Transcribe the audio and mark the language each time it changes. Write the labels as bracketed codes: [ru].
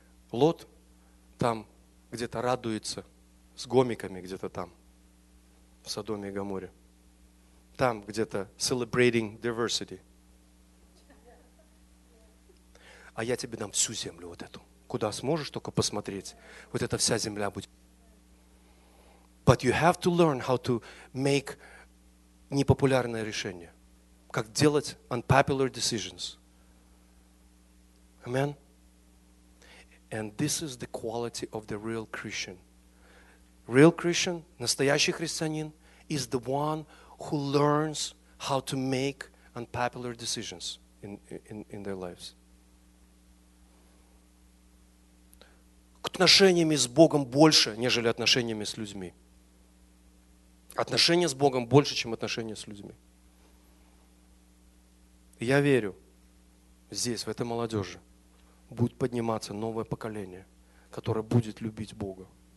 [ru] Лот там где-то радуется с гомиками где-то там, в Содоме и Гоморре. Там где-то [en] celebrating diversity. [ru] А я тебе дам всю землю вот эту. Куда сможешь только посмотреть. Вот эта вся земля будет. [en] But you have to learn how to make [ru] непопулярное решение. Как делать [en] unpopular decisions. Amen. And this is the quality of the real Christian. Real Christian, [ru] настоящий христианин, [en] is the one who learns how to make unpopular decisions in their lives. [ru] К отношениям с Богом больше, нежели отношениями с людьми. Отношения с Богом больше, чем отношения с людьми. Я верю, здесь, в этой молодежи, будет подниматься новое поколение, которое будет любить Бога.